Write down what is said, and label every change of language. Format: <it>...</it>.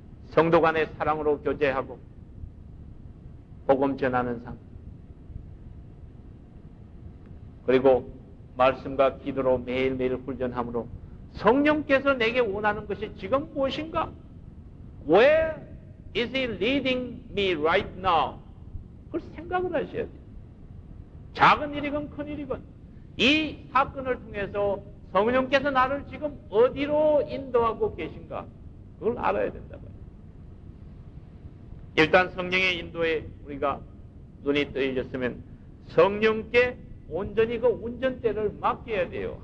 <ko>성도 간의 사랑으로 교제하고 복음 전하는 삶, 그리고 말씀과 기도로 매일매일 훈련함으로 성령께서 내게 원하는 것이 지금 무엇인가?</ko> <en>Where is he leading me right now?</en> <ko>그걸 생각을 하셔야 돼요. 작은 일이건 큰 일이건 이 사건을 통해서 성령께서 나를 지금 어디로 인도하고 계신가? 그걸 알아야 된다고 해요. 일단 성령의 인도에 우리가 눈이 떠있었으면 성령께 온전히 그 운전대를 맡겨야 돼요.</ko>